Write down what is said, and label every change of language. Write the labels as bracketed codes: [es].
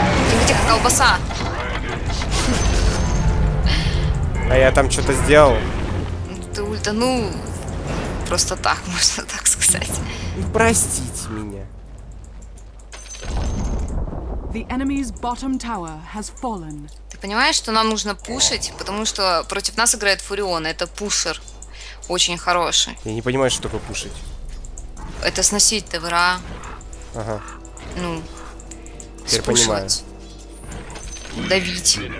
[ru] Тихо-тихо, колбаса! А я там что-то сделал? Ты ультанул просто так, можно так сказать. Ну, простите меня. [en] The enemy's bottom tower has fallen. [ru] Ты понимаешь, что нам нужно пушить, потому что против нас играет Фурион, это пушер. Очень хороший. Я не понимаю, что такое пушить. Это сносить ТВРА. Ага. Ну. Теперь понимаю. Давить.